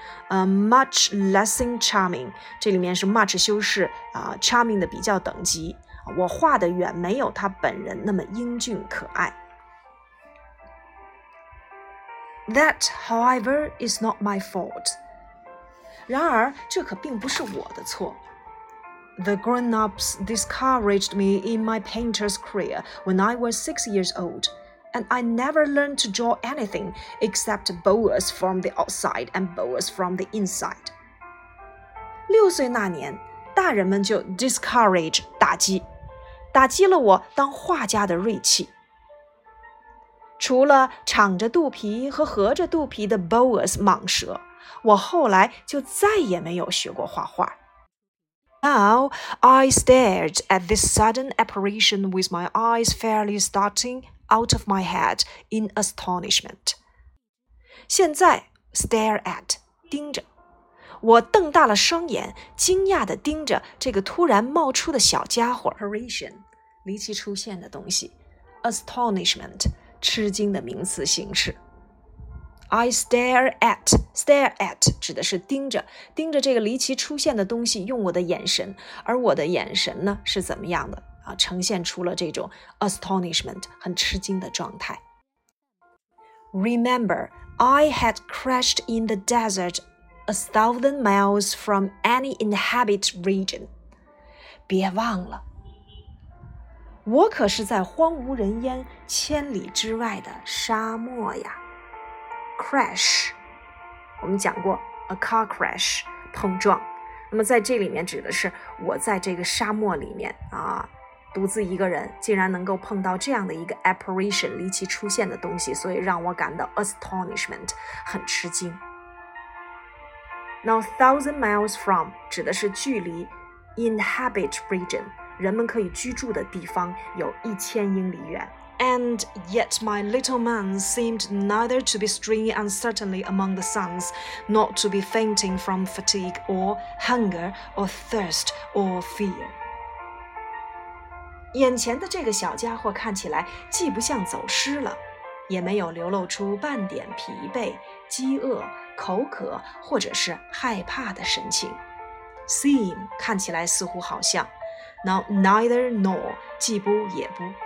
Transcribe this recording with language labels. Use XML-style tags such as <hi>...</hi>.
<en>Much less than charming，</en> <zh>这里面是 much 修饰啊 ，charming 的比较等级。我画的远没有他本人那么英俊可爱。</zh> <en>That, however, is not my fault.</en> <zh>然而，这可并不是我的错。</zh> <en>The grown-ups discouraged me in my painter's career when I was 6 years old, and I never learned to draw anything except boas from the outside and boas from the inside.</en> <zh>六岁那年，大人们就 discourage 打击了我当画家的锐气。除了敞着肚皮和合着肚皮的 boas 蟒蛇，我后来就再也没有学过画画。</zh> <en>Now I stared at this sudden apparition with my eyes fairly starting out of my head in astonishment.</en> <zh>现在 stare at 盯着，我瞪大了双眼，惊讶地盯着这个突然冒出的小家伙。 Apparition 离奇出现的东西 ，astonishment。吃惊的名词形式。</zh> <en>I stare at</en> <zh>指的是盯着这个离奇出现的东西，用我的眼神，而我的眼神呢是怎么样的啊？呈现出了这种 astonishment 很吃惊的状态。</zh> <en>Remember, I had crashed in the desert 1,000 miles from any inhabited region.</en> <zh>别忘了。我可是在荒无人烟千里之外的沙漠呀。 Crash 我们讲过</zh> <en>A car crash</en> <zh>碰撞，那么在这里面指的是我在这个沙漠里面啊，独自一个人竟然能够碰到这样的一个 apparition 离奇出现的东西，所以让我感到 astonishment 很吃惊。</zh> <en>Now 1,000 miles from</en> <zh>指的是距离 inhabit region人们可以居住的地方有1000英里远。</zh> <en>And yet my little man seemed neither to be straying uncertainly among the sands, nor to be fainting from fatigue or hunger or thirst or fear.</en> <zh>眼前的这个小家伙看起来既不像走失了，也没有流露出半点疲惫、饥饿、口渴或者是害怕的神情。 seem 看起来似乎好像。那 neither nor 既不也不。</zh>